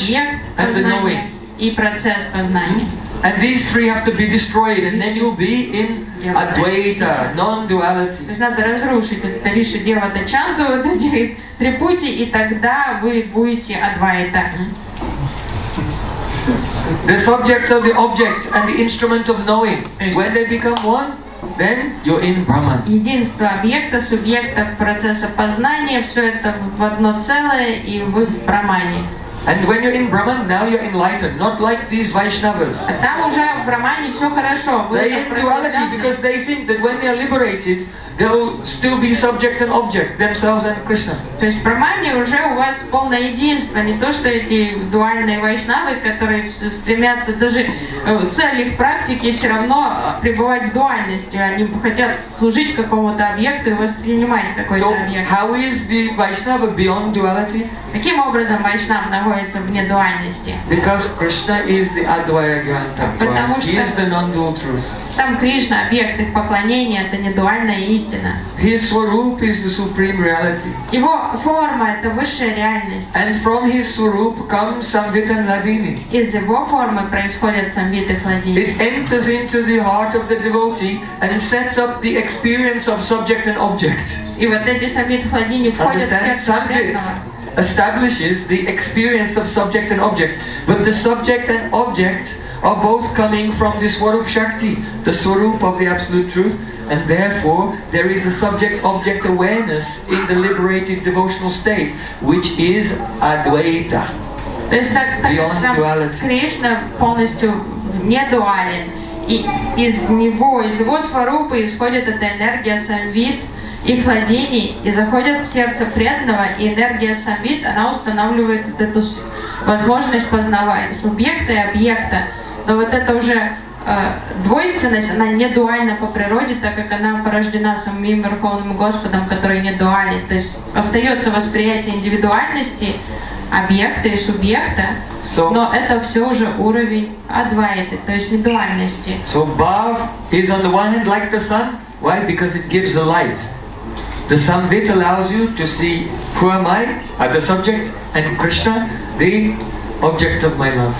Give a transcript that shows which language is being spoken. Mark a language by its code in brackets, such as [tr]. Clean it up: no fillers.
[ru] объект познания и процесс познания. [en] And these three have to be destroyed, and then you'll be in Advaita, non-duality. [ru] То есть надо разрушить это Риши Девата Чанду, вот эти три пути, и тогда вы будете Адвайта. [en] The subject of the object and the instrument of knowing, when they become one, then you're in Brahman. [ru] Единство объекта, субъекта, процесса познания, все это в одно целое, и вы в Брамане. [en] And when you're in Brahman, now you're enlightened, not like these Vaishnavas. [ru] А там уже в Брамане все хорошо. [en] They're in duality because they think that when they are liberated, they will still be subject and object, themselves and Krishna. [ru] То есть в Брамане уже у вас полное единство, не то что эти дуальные вайшнавы, которые стремятся даже в целях практики все равно пребывать в дуальности. Они хотят служить какому-то объекту и воспринимать какой-то объект. [en] So how is the Vaishnava beyond duality? [ru] Каким образом вайшнав находится вне дуальности? [en] Because Krishna is the Advaya Granta, he is the non-dual truth. [ru] Сам Кришна объект их поклонения, это не дуальная истина. [en] His swarup is the supreme reality. [ru] Его форма – это высшая реальность. [en] And from his swarup come Samvit and Ladini. [ru] Из его формы происходят Самвит и Ладини. [en] It enters into the heart of the devotee and sets up the experience of subject and object. [ru] И вот эти Самвит и Ладини входят в сердце. [en] Establishes the experience of subject and object, but the subject and object are both coming from the swarup shakti, the swarup of the absolute truth. And therefore, there is a subject-object awareness in the liberated devotional state, which is Advaita, beyond duality. [ru] Кришна полностью не дуален, и из него, из его сварупы исходит эта энергия самвит и хладини, и заходит в сердце преданного, и энергия самвит, она устанавливает эту возможность познавать субъекта и объекта. Но вот это уже двойственность, она не дуальна по природе, так как она порождена самим Верховным Господом, который не дуален. То есть остается восприятие индивидуальности объекта и субъекта, so, но это все уже уровень адвайты, то есть не дуальности. [en] So Bhav is on the one hand like the sun. Why? Because it gives the light. The Samvit allows you to see who am I, the subject, and Krishna, the object of my love.